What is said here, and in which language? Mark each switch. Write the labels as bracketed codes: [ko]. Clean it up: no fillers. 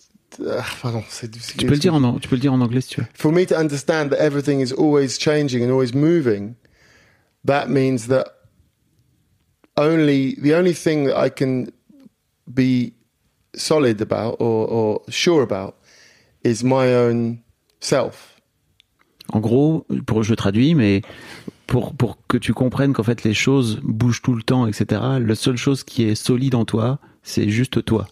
[fr] tu peux le dire en anglais si tu veux. [en] For me to understand that everything is always changing and always moving, that means that the only thing that I can be solid about or sure about is my own self. [fr] En gros, je traduis, mais pour que tu comprennes qu'en fait les choses bougent tout le temps, etc., la seule chose qui est solide en toi, c'est juste toi.